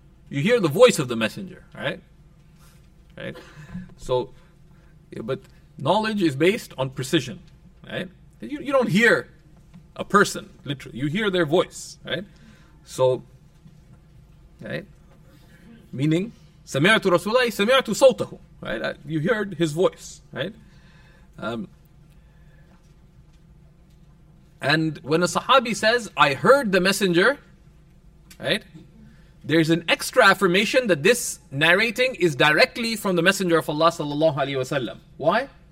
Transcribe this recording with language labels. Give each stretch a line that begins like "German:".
English: You hear the voice of the messenger, right? Right? So, but knowledge is based on precision, right? You don't hear a person, literally. You hear their voice, right? So, right? Meaning,
Arabic: سَمِعْتُ رَسُولَهِ سَمِعْتُ صَوْتَهُ.
English: Right? You heard his voice, right? And when a Sahabi says, I heard the messenger, right? There's an extra affirmation that this narrating is directly from the Messenger of Allah sallallahu alaihi wasallam. Why?